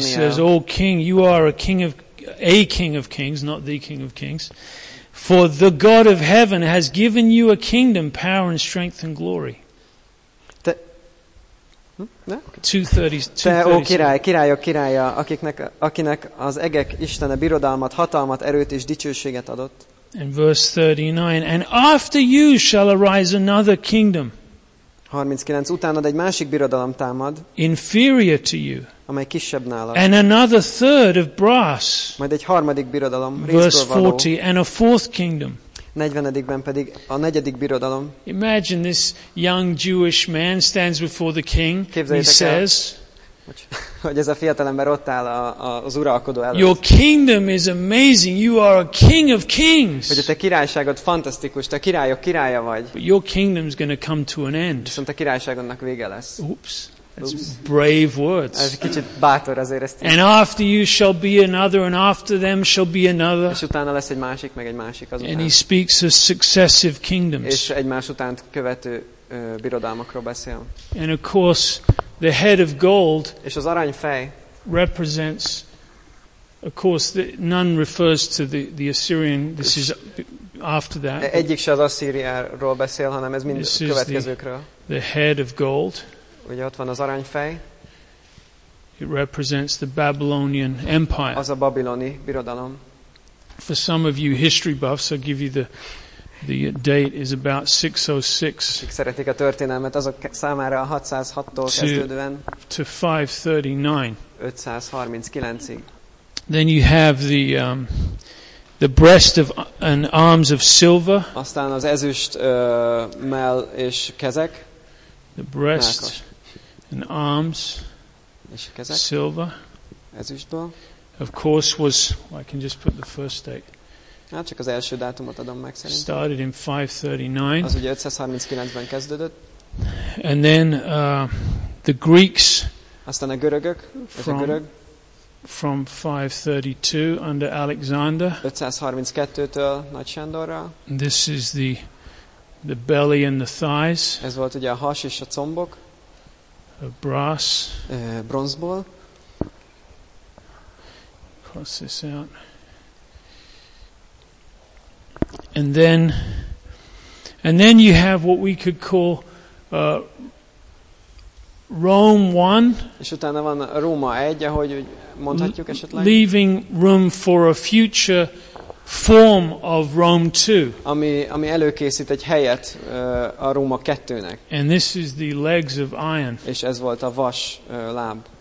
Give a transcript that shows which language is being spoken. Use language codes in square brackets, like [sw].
[en] says, O king, you are a king of kings, not the king of kings. For the God of heaven has given you a kingdom, power and strength and glory. [hu] Te, o király, királyok királya, akinek az egek Istene birodalmat, hatalmat, erőt és dicsőséget adott. [en] And verse 39, and after you shall arise another kingdom. [hu] 39, utánad egy másik birodalom támad. [en] Inferior to you. [hu] Amely kisebb nálad. [en] And another third of brass. [hu] Majd egy harmadik birodalom, [en] verse 40, and a fourth kingdom. [hu] 40-ben pedig a negyedik birodalom. [en] Imagine this young Jewish man stands before the king. He says, [hu] hogy ez a fiatalember ott áll az uralkodó előtt. [en] Your kingdom is amazing. You are a king of kings. [hu] Hogy a te királyságod fantasztikus, te királyok királya vagy. [en] But your kingdom is going to come to an end. [hu] Viszont a királyságodnak vége lesz. [en] Oops. That's brave words. [hu] Ez kicsit bátor azért ezt. [en] And after you shall be another, and after them shall be another. [hu] És utána lesz egy másik, meg egy másik azután. [en] And he speaks of successive kingdoms. [hu] És egymás után követő birodalmakról beszél. [en] And of course, the head of gold. [hu] És az arany fej. [en] Represents, of course, none refers to the Assyrian. This is after that. [hu] Egyik se az Asszíriáról beszél, hanem ez mind következőkről. [en] The head of gold. [hu] Ugye ott van az aranyfej. [en] It represents the Babylonian Empire. [hu] Az a babiloni birodalom. [en] For some of you history buffs, I'll give you the date is about 606. [hu] Akik szeretik a történelmet, azok számára a 606-tól kezdődően. [en] To 539. [hu] 539-ig. [en] Then you have the breast of and arms of silver. [hu] Aztán az ezüst mell és kezek. [en] The breast. And arms, silver, [hu] ezüstből. [en] Of course, was, well, I can just put the first date. [hu] Hát csak az első dátumot adom meg szerintem. [en] Started in 539. [hu] Az ugye 539-ben kezdődött. [en] And then the Greeks. [hu] Aztán a görögök. [en] From 532 under Alexander. [hu] 532-től Nagy Sándorral. [en] This is the belly and the thighs. [hu] Ez volt ugye a has és a combok. [en] Of brass. [hu] Bronzból. [en] Cross this out. And then you have what we could call Rome 1. [hu] És utána van Róma 1, ahogy mondhatjuk esetleg. [en] Leaving room for a future form of Rome 2. [hu] Ami előkészít egy helyet a Róma 2-nek. [en] And this is the legs of iron. [hu] És ez volt a vas láb.